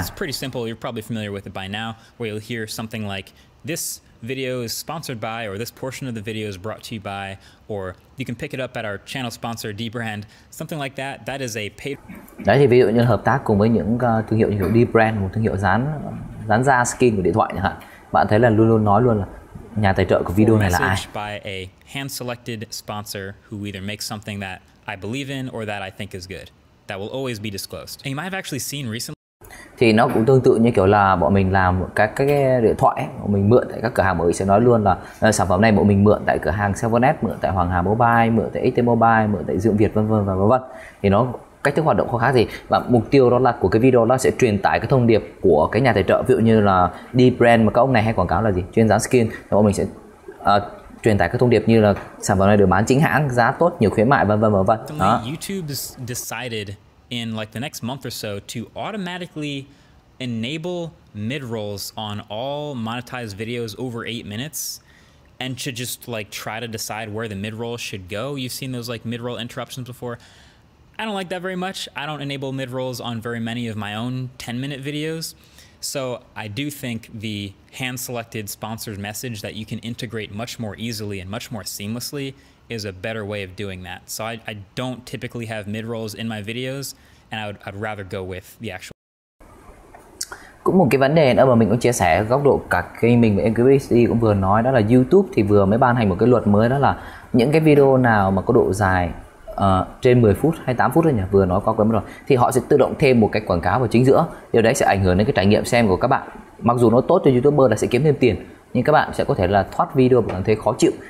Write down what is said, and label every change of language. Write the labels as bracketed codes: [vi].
[en] It's pretty simple. You're probably familiar with it by now, where you'll hear something like this video is sponsored by, or this portion of the video is brought to you by, or you can pick it up at our channel sponsor Dbrand, something like that. That is a paid. [vi] Đấy thì ví dụ như hợp tác cùng với những thương hiệu như kiểu Dbrand, một thương hiệu dán da skin của điện thoại chẳng hạn. Bạn thấy là luôn luôn nói luôn là nhà tài trợ của video này là ai? [en] By a hand-selected sponsor who either makes something that I believe in or that I think is good, that will always be disclosed. And you might have actually seen recently. [vi] Thì nó cũng tương tự như kiểu là bọn mình làm các cái điện thoại ấy, bọn mình mượn tại các cửa hàng mới sẽ nói luôn là sản phẩm này bọn mình mượn tại cửa hàng 7S, mượn tại Hoàng Hà Mobile, mượn tại XT Mobile, mượn tại Dượng Việt vân vân và vân vân. Thì nó cách thức hoạt động không khác gì, và mục tiêu đó là của cái video đó sẽ truyền tải cái thông điệp của cái nhà tài trợ, ví dụ như là Dbrand mà các ông này hay quảng cáo là gì, chuyên dán skin, thì bọn mình sẽ truyền tải cái thông điệp như là sản phẩm này được bán chính hãng, giá tốt, nhiều khuyến mại vân vân và vân. Đó. [en] YouTube decided in like the next month or so to automatically enable mid-rolls on all monetized videos over 8 minutes and to just like try to decide where the mid-roll should go. You've seen those like mid-roll interruptions before. I don't like that very much. I don't enable mid-rolls on very many of my own 10-minute videos. So I do think the hand-selected sponsored message that you can integrate much more easily and much more seamlessly is a better way of doing that. So I don't typically have mid-rolls in my videos, and I'd rather go with the actual. [vi] Cũng một cái vấn đề nữa mà mình cũng chia sẻ góc độ cả khi mình với AKBHD cũng vừa nói, đó là YouTube thì vừa mới ban hành một cái luật mới, đó là những cái video nào mà có độ dài trên 10 phút hay 8 phút thôi nhỉ, vừa nói qua quên mất rồi, thì họ sẽ tự động thêm một cái quảng cáo vào chính giữa. Điều đấy sẽ ảnh hưởng đến cái trải nghiệm xem của các bạn. Mặc dù nó tốt cho YouTuber là sẽ kiếm thêm tiền, nhưng các bạn sẽ có thể là thoát video và cảm thấy khó chịu.